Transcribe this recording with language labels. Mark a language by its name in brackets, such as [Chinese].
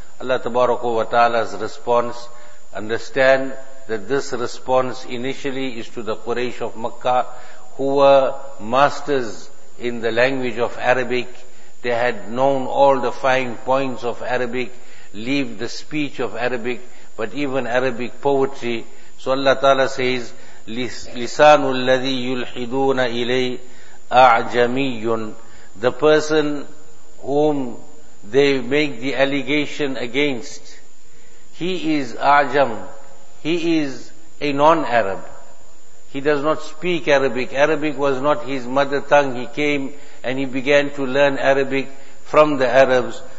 [English] Allah tabaraka wa ta'ala's response, understand that this response initially is to the Quraysh of Makkah, who were masters in the language of Arabic. They had known all the fine points of Arabic, leave the speech of Arabic, but even Arabic poetry. So Allah Ta'ala says, [Arabic] لِسَانُ الَّذِي يُلْحِدُونَ إِلَيْهِ أَعْجَمِيٌّ. [English] The person whom they make the allegation against, he is أَعْجَم, he is a non-Arab. He does not speak Arabic. Arabic was not his mother tongue. He came and he began to learn Arabic from the Arabs.